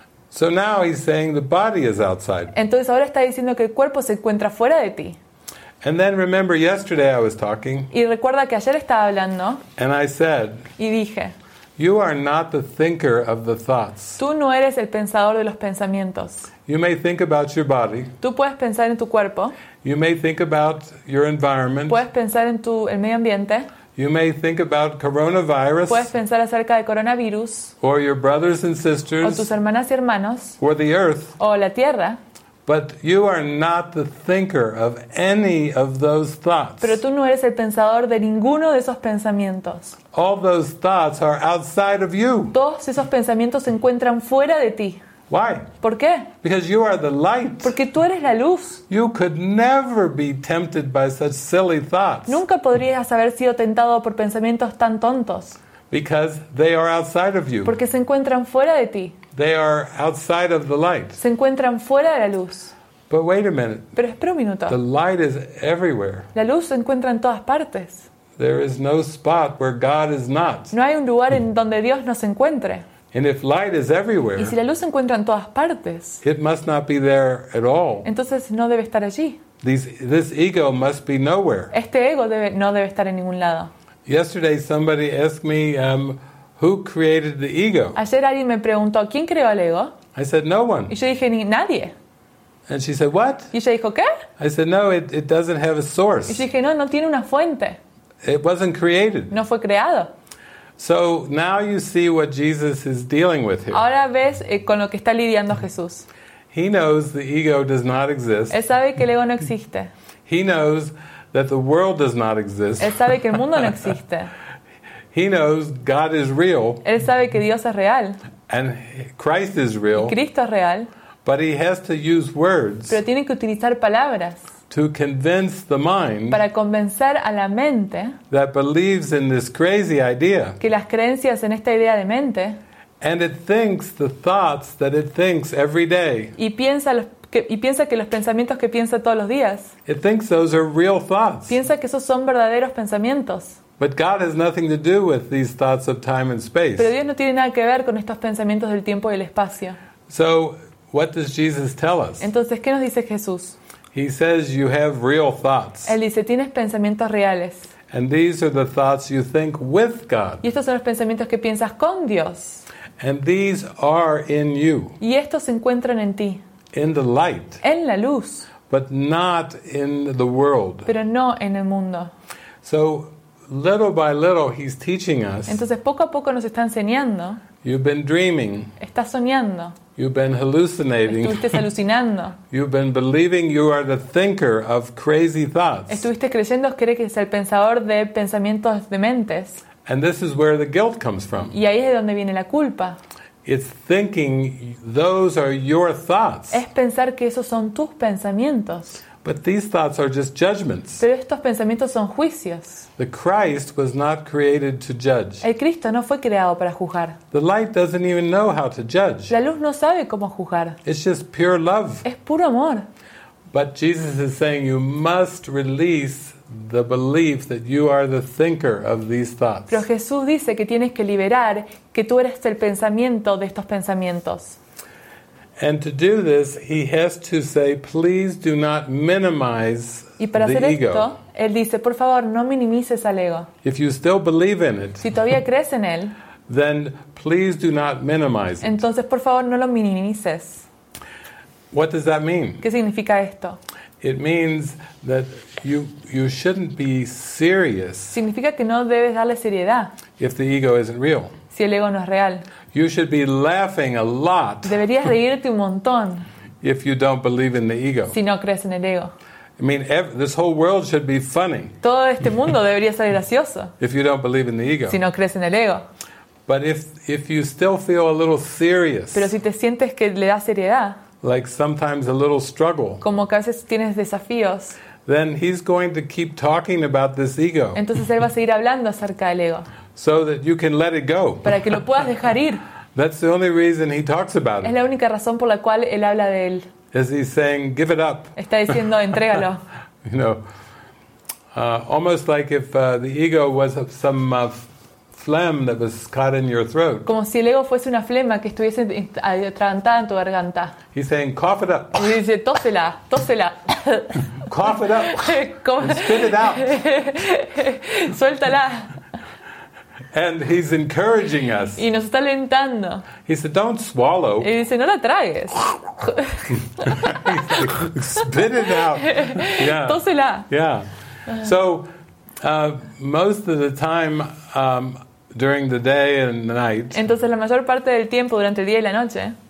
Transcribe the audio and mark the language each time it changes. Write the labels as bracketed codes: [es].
[en] So now he's saying the body is outside. [es] Entonces ahora está diciendo que el cuerpo se encuentra fuera de ti. [en] And then remember yesterday I was talking. [es] Y recuerda que ayer estaba hablando. [en] And I said. [es] Y dije. [en] You are not the thinker of the thoughts. [es] Tú no eres el pensador de los pensamientos. [en] You may think about your body. [es] Tú puedes pensar en tu cuerpo. [en] You may think about your environment. [es] Puedes pensar en el medio ambiente. [en] You may think about coronavirus. [es] Puedes pensar acerca del coronavirus. [en] Or your brothers and sisters. [es] O tus hermanas y hermanos. [en] Or the earth. [es] O la tierra. [en] But you are not the thinker of any of those thoughts. [es] Pero tú no eres el pensador de ninguno de esos pensamientos. [en] All those thoughts are outside of you. [es] Todos esos pensamientos se encuentran fuera de ti. [en] Why? [es] ¿Por qué? [en] Because you are the light. [es] Porque tú eres la luz. [en] You could never be tempted by such silly thoughts. [es] Nunca podrías haber sido tentado por pensamientos tan tontos. [en] Because they are outside of you. [es] Porque se encuentran fuera de ti. [en] They are outside of the light. [es] Se encuentran fuera de la luz. [en] But wait a minute. [es] Pero espera un minuto. [en] The light is everywhere. [es] La luz se encuentra en todas partes. [en] There is no spot where God is not. [es] No hay un lugar en donde Dios no se encuentre. [en] And if light is everywhere, [es] y si la luz se encuentra en todas partes, [en] it must not be there at all. [es] Entonces no debe estar allí. [en] This ego must be nowhere. [es] Este ego no debe estar en ningún lado. [en] Yesterday somebody asked me, who created the ego? [es] Ayer alguien me preguntó, ¿quién creó el ego? [en] I said, no one. [es] Y yo dije, nadie. [en] And she said, what? [es] Y ella dijo, ¿qué? [en] I said, no, it doesn't have a source. [es] Y yo dije, no tiene una fuente. [en] It wasn't created. [es] No fue creado. [en] So now you see what Jesus is dealing with here. [es] Ahora ves con lo que está lidiando Jesús. [en] He knows the ego does not exist. [es] Él sabe que el ego no existe. [en] He knows that the world does not exist. [es] Él sabe que el mundo no existe. [en] He knows God is real. [es] Él sabe que Dios es real. [en] And Christ is real. [es] Y Cristo es real. [en] But he has to use words. [es] Pero tiene que utilizar palabras. [en] To convince the mind. [es] Para convencer a la mente. [en] That believes in this crazy idea. [es] Que las creencias en esta idea de mente. [en] And it thinks the thoughts that it thinks every day. [es] Y piensa que los pensamientos que piensa todos los días. [en] It thinks those are real thoughts. [es] Piensa que esos son verdaderos pensamientos. [en] But God has nothing to do with these thoughts of time and space. [es] Pero Dios no tiene nada que ver con estos pensamientos del tiempo y el espacio. [en] So, what does Jesus tell us? [es] Entonces, ¿qué nos dice Jesús? [en] He says you have real thoughts. [es] Él dice, tienes pensamientos reales. [en] And these are the thoughts you think with God. [es] Y estos son los pensamientos que piensas con Dios. [en] And these are in you. [es] Y estos se encuentran en ti. [en] In the light. [es] En la luz. [en] But not in the world. [es] Pero no en el mundo. [en] So, little by little, he's teaching us. [es] Entonces, poco a poco nos está enseñando. [en] You've been dreaming. [es] Estás soñando. [en] You've been hallucinating. [es] Estuviste alucinando. [en] You've been believing you are the thinker of crazy thoughts. [es] Estuviste creyendo que eres el pensador de pensamientos dementes. [en] And this is where the guilt comes from. [es] Y ahí es de donde viene la culpa. [en] It's thinking those are your thoughts. [es] Es pensar que esos son tus pensamientos. [en] But these thoughts are just judgments. [es] Pero estos pensamientos son juicios. [en] The Christ was not created to judge. [es] El Cristo no fue creado para juzgar. [en] The light doesn't even know how to judge. [es] La luz no sabe cómo juzgar. [en] It's just pure love. [es] Es puro amor. [en] But Jesus is saying you must release the belief that you are the thinker of these thoughts. [es] Pero Jesús dice que tienes que liberar que tú eres el pensamiento de estos pensamientos. [en] And to do this, he has to say, please do not minimize the ego. [es] Él dice, por favor, no minimices al ego. [en] If you still believe in it, [es] si todavía crees en él, [en] then please do not minimize it. [es] Entonces, por favor, no lo minimices. [en] What does that mean? [es] ¿Qué significa esto? [en] It means that you shouldn't be serious. [es] Significa que no debes darle seriedad. [en] If the ego isn't real. [es] Si el ego no es real. [en] You should be laughing a lot. [es] Deberías reírte un montón. [en] If you don't believe in the ego. [es] Si no crees en el ego. [en] I mean, this whole world should be funny. [es] Todo este mundo debería ser gracioso. [en] If you don't believe in the ego. [es] Si no crees en el ego. [en] But if you still feel a little serious. [es] Pero si te sientes que le da seriedad. [en] Like sometimes a little struggle. [es] Como que a veces tienes desafíos. [en] Then he's going to keep talking about this ego. [es] Entonces él va a seguir hablando acerca del ego. [en] So that you can let it go. [es] Para que lo puedas dejar ir. [en] That's the only reason he talks about it. [es] Es la única razón por la cual él habla de él. [en] As he's saying, give it up. [es] Está diciendo, entrégalo. [en] You know, almost like if the ego was some phlegm that was caught in your throat. [es] Como si el ego fuese una flema que estuviese atragantada en tu garganta. [en] He's saying, cough it up. [es] Y dice, tósela, tósela. [en] Cough it up. Spit it out. [es] Suéltala. [en] And he's encouraging us. [es] Y nos está alentando. [en] He said, don't swallow. [es] Y dice, no la tragues. [en] Spit it out. Yeah. [es] Tósela. [en] Yeah. So, most of the time, during the day and the night. [es] Entonces la mayor parte del tiempo durante el día y la noche.